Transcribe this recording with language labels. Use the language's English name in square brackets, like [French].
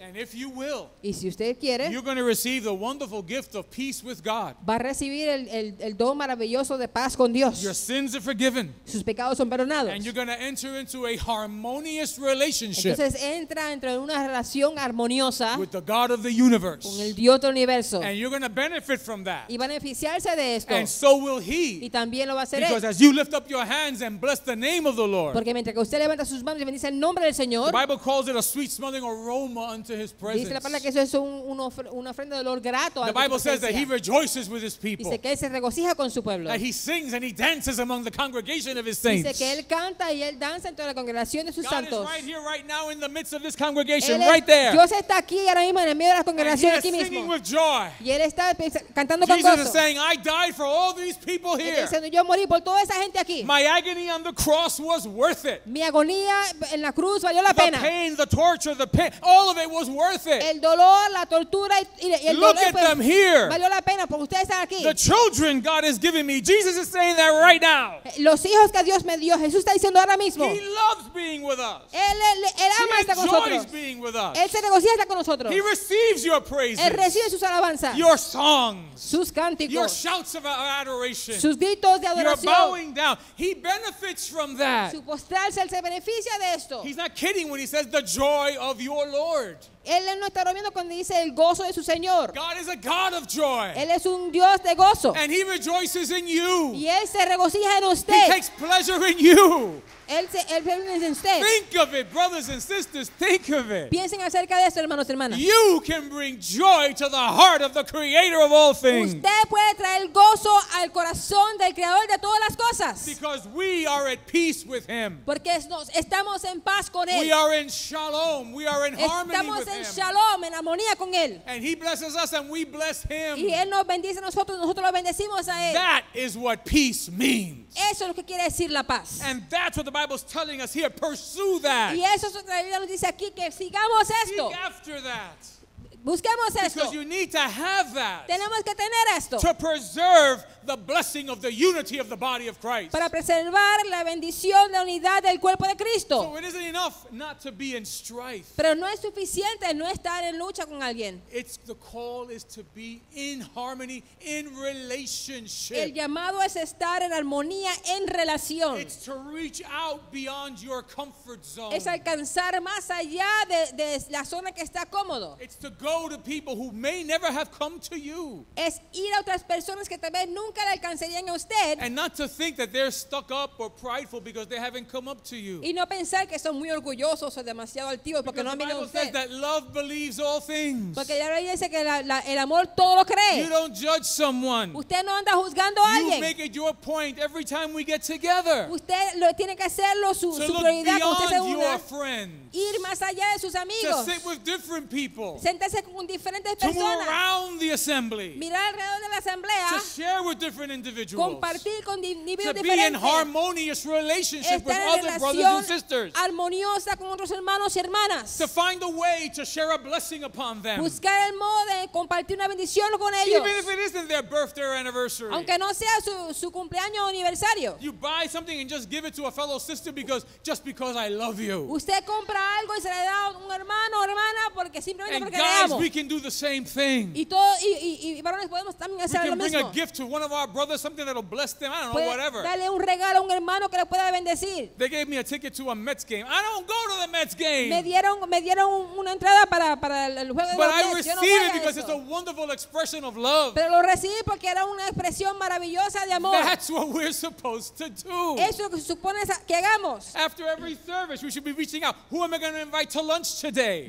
[English] And if you will. [Spanish] Y si usted quiere. [English] You're going to receive the wonderful gift of peace with God. [Spanish] Va a recibir el don maravilloso de paz con Dios. [English] Your sins are forgiven. [Spanish] Sus pecados son perdonados. [English] And you're going to enter into a harmonious relationship. [Spanish] Entonces entra dentro de una relación armoniosa [English] with the God of the universe. [Spanish] Con el Dios del universo. [English] And you're going to benefit from that. [Spanish] Y va a beneficiarse de esto. [English] And so will he. [Spanish] Y también lo va a hacer [English] because [Spanish] él. [English] As you lift up your hands and bless the name of the Lord. [Spanish] Porque mientras que usted levanta sus manos y bendice el nombre del Señor. [English] The Bible calls it a sweet smelling aroma unto his presence. [Spanish] Dice la palabra que eso es una ofrenda de olor grato. [English] The Bible says that he rejoices with his people. [Spanish] Dice que él se regocija con su pueblo. [English] That he sings and he dances among the congregation of his saints. [Spanish] Dice que él canta y él danza entre la congregación de sus santos. [English] God is right here, right now, in the midst of this congregation, right there. [Spanish] Dios está aquí ahora mismo en el medio de la congregación aquí mismo. [English] He is singing with joy. [Spanish] Y él está cantando con gozo. [English] Jesus is saying, "I died for all these people here." [Spanish] Diciendo, yo morí por toda esa gente aquí. [English] My agony on the cross was worth it. [Spanish] Mi agonía en la cruz valió la pena. [English] The pain, the torture, the pain, all of it was worth it. [Spanish] El dolor, la tortura y el [English] look at them here. [Spanish] Valió la pena porque ustedes están aquí. [English] The children God has given me. Jesus is saying that right now. [Spanish] Los hijos que Dios me dio, Jesús está diciendo ahora mismo. [English] He loves being with us. [Spanish] Él ama estar con nosotros. [English] He enjoys being with us. [Spanish] Él se regocija estar con nosotros. [English] He receives your praises. [Spanish] Él recibe sus alabanzas. [English] Your songs. [Spanish] Sus cánticos. [English] Your shouts of adoration. [Spanish] Sus gritos de adoración. [English] Your bowing down. He benefits from that. [Spanish] Su postrarse, él se beneficia de esto. [English] He's not kidding when he says the joy of your Lord. [Spanish] Él no está bromeando cuando dice el gozo de su Señor. [English] God is a God of joy. [Spanish] Él es un Dios de gozo. [English] And he rejoices in you. [Spanish] Y él se regocija en usted. [English] He takes pleasure in you. Think of it, brothers and sisters. Think of it. [Spanish] Piensen acerca de esto, hermanos, hermanas. [English] You can bring joy to the heart of the Creator of all things. [Spanish] Usted puede traer gozo al corazón del Creador de todas las cosas. [English] Because we are at peace with Him. [Spanish] Porque nos estamos en paz con él. [English] We are in shalom. We are in [Spanish] estamos [English] harmony with Him. [Spanish] Estamos en shalom, en armonía con él. [English] And He blesses us, and we bless Him. [Spanish] Y él nos bendice a nosotros, nosotros lo bendecimos a él. [English] That is what peace means. [Spanish] Eso es lo que quiere decir la paz. [English] And that's what the Bible is telling us here. Pursue that. [Spanish] Y eso es lo que la Biblia nos dice aquí, que sigamos esto. [English] Seek after that. [Spanish] Busquemos esto. [English] Because you need to have that. [Spanish] Tenemos que tener esto. [English] To preserve the blessing of the unity of the body of Christ. [Spanish] Para preservar la bendición de la unidad del cuerpo de Cristo. [English] So it isn't enough not to be in strife. [Spanish] Pero no es suficiente no estar en lucha con alguien. [English] It's the call is to be in harmony, in relationship. [Spanish] El llamado es estar en armonía, en relación. [English] It's to reach out beyond your comfort zone. [Spanish] Es alcanzar más allá de la zona que está cómodo. [English] It's to go to people who may never have come to you. [Spanish] Es ir a otras personas que tal vez nunca le alcanzarían a usted. [English] And not to think that they're stuck up or prideful because they haven't come up to you. [Spanish] Y no pensar que son muy orgullosos o demasiado altivos porque [English] because [Spanish] no han venido a usted. [English] Because the Bible says that love believes all things. [Spanish] Porque la Biblia dice que el amor todo lo cree. [English] You don't judge someone. [Spanish] Usted no anda juzgando a alguien. [English] You make it your point every time we get together. [Spanish] Usted lo tiene que hacerlo su prioridad cuando usted se une. [English] Your friends. [Spanish] Ir más allá de sus amigos. [English] To sit with different people. [Spanish] Sentarse con diferentes personas. [English] To move around the assembly. [Spanish] Mirar alrededor de la asamblea. [English] To share with different individuals. [Spanish] Compartir con individuos diferentes. [English] To be in harmonious relationship with other brothers and sisters. [Spanish] Armoniosa con otros hermanos y hermanas. [English] To find a way to share a blessing upon them. [Spanish] Buscar el modo de compartir una bendición con ellos. [English] Even if it isn't their birthday or anniversary. [Spanish] Aunque no sea su cumpleaños o aniversario. [English] You buy something and just give it to a fellow sister because I love you. [Spanish] Usted compra algo y se le da a un hermano o hermana porque simplemente [English] and [Spanish] porque [English] guys, [Spanish] le amo. [English] And guys, we can do the same thing. [Spanish] Y varones podemos también hacer lo mismo. [English] We can bring a gift to one of our brothers, something that'll bless them. I don't know, whatever. [Spanish] Dale un regalo a un hermano que le pueda bendecir. [English] They gave me a ticket to a Mets game. I don't go to the Mets game. [Spanish] Me dieron una entrada para el juego de [English] but [Spanish] los [English] I [Spanish] Mets. [English] Received [Spanish] no [English] it because [Spanish] eso. [English] It's a wonderful expression of love. [Spanish] Pero lo recibí porque era una expresión maravillosa de amor. [English] That's what we're supposed to do. [Spanish] Eso que supone que hagamos. [English] After every service, we should be reaching out. Who am I going to invite to lunch today?